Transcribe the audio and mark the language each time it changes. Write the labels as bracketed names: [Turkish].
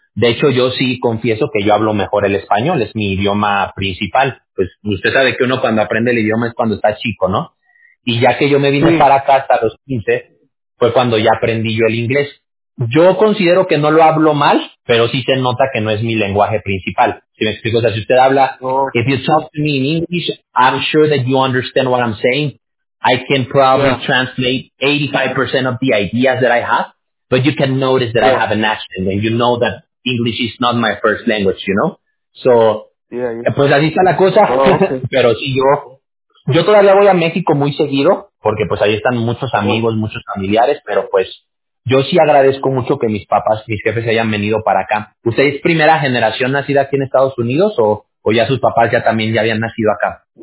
[Spanish] De hecho, yo sí confieso que yo hablo mejor el español, es mi idioma principal. Pues usted sabe que uno cuando aprende el idioma es cuando está chico, ¿no? Y ya que yo me vine para acá hasta los 15, fue cuando ya aprendí yo el inglés. Yo considero que no lo hablo mal, pero sí se nota que no es mi lenguaje principal. Si me explico, o sea, si usted habla, [English] if you talk to me in English, I'm sure that you understand what I'm saying. I can probably translate 85% of the ideas that I have, but you can notice that I have an accent, and you know that English is not my first language, you know? [Spanish] So, pues así está la cosa, pero sí, yo todavía voy a México muy seguido, porque pues ahí están muchos amigos, muchos familiares, pero pues, yo sí agradezco mucho que mis papás, mis jefes hayan venido para acá. ¿Usted es primera generación nacida aquí en Estados Unidos o ya sus papás ya también ya habían nacido acá?